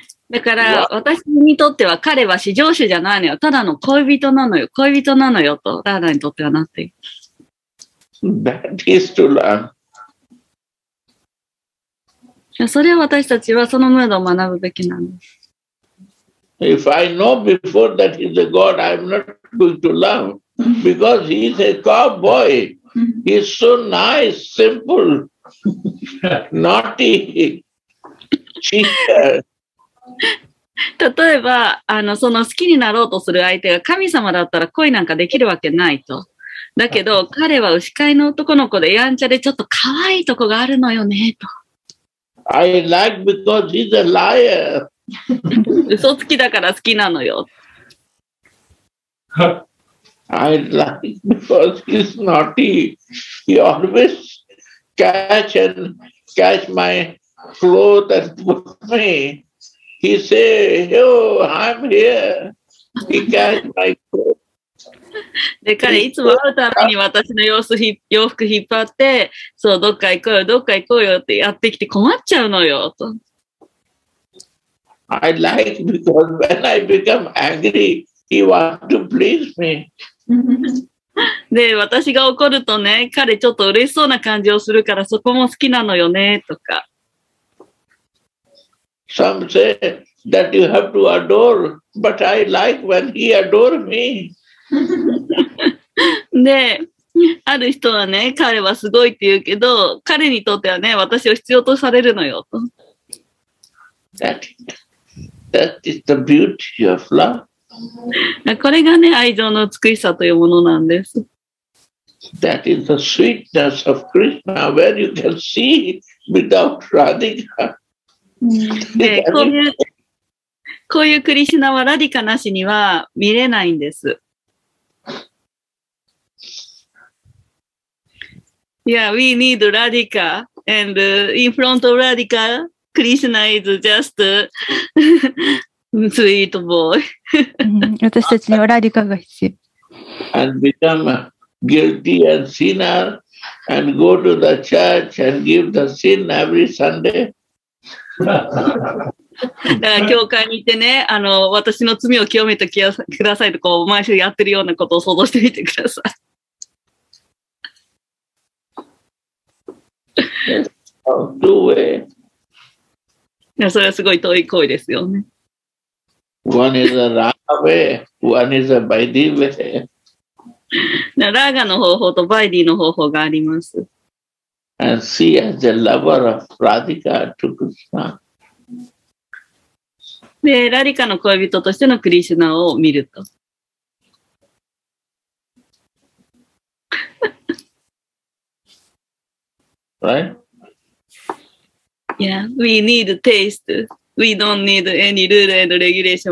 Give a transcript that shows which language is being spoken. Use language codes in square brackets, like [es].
[ja] だから私にとっては彼は至上主じゃないのよ。ただの恋人なのよ。恋人なのよと、ラーダにとってはなっている [en] 。 That is to learn. [ja] それは私たちはそのムードを学ぶべきなんです。 [en] If I know before that he's a god, I'm not going to love because he's a cowboy. He's so nice, simple, naughty, cheater. [ja] 例えば、その好きになろうとする相手が神様だったら恋なんかできるわけないと。だけど、彼は牛飼いの男の子でやんちゃでちょっと可愛いとこがあるのよね、と。 [en] I like because he's a liar. [ja] 嘘つきだから好きなのよ。 [en] I like because he's naughty. He always catch and catch my flow that put me. He say, yo, I'm here. He catch my flow. [ja] で彼いつも会うたびに私の洋服引っ張って、そう、どっか行こうよ、どっか行こうよってやってきて困っちゃうのよと。 [en] I like because when I become angry, he wants to please me. [ja] で、私が怒るとね、彼ちょっと嬉しそうな感じをするから、そこも好きなのよねとか。 [en] Some say that you have to adore, but I like when he adores me. [ja] で、ある人はね、彼はすごいって言うけど、彼にとってはね、私を必要とされるのよと。 [en] That is the beauty of love. [ja] これがね、愛情の美しさというものなんです。 [en] That is the sweetness of Krishna, where you can see without Radhika. [ja] で、こういうクリシナはラディカなしには見れないんです。 [en] Yeah, we need Radhika, and in front of Radhika, Krishna is just a sweet boy. [ja] 私たちにはラディカが必要。 [en] And become guilty and sinner, and go to the church and give the sin every Sunday. [ja] だから教会に行ってね、私の罪を清めてくださいと、こう毎週やってるようなことを想像してみてください。どうえ、いや、それはすごい遠い行為ですよね。 [en] One is a radha way, one is a bhaidi way. [ja] ラーガの方法とバイディの方法があります。 [en] And she is the lover of Radhika to Krishna. [ja] で、ラリカの恋人としてのクリシュナを見ると。 [en] Right? Yeah, we need taste. We don't need any rule and regulation.